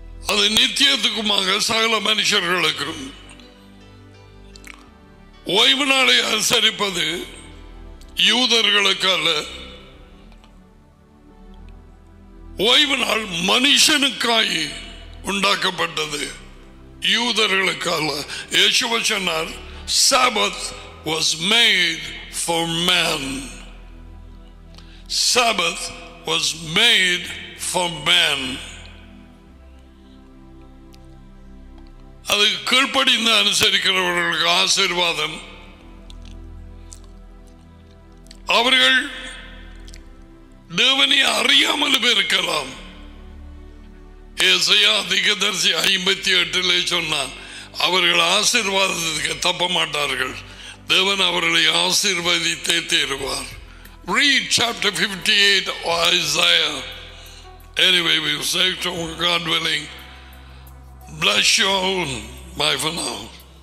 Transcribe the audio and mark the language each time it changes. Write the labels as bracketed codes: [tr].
[ta] அது நித்தியத்துக்குமாக சகல மனுஷர்களுக்கும். ஓய்வு நாளை அனுசரிப்பது யூதர்களுக்கு அல்ல, ஓய்வு நாள் மனுஷனுக்காய் உண்டாக்கப்பட்டது. யூதர்களுக்கல்ல. யேசுவே சொன்னார், [en] Sabbath was made for man. Sabbath was made for man. [ta] அது கீழ்ப்படிந்து அனுசரிக்கிறவர்களுக்கு ஆசீர்வாதம். அவர்கள் தேவனை அறியாமலும் இருக்கலாம். தீர்க்கதரிசி 58 சொன்னான், அவர்கள் ஆசீர்வாதத்துக்கு தப்ப மாட்டார்கள், தேவன் அவர்களை ஆசீர்வதித்தே தீருவார். [en] Read chapter 58 of Isaiah. Anyway, we say to God willing, bless you all. Bye for now.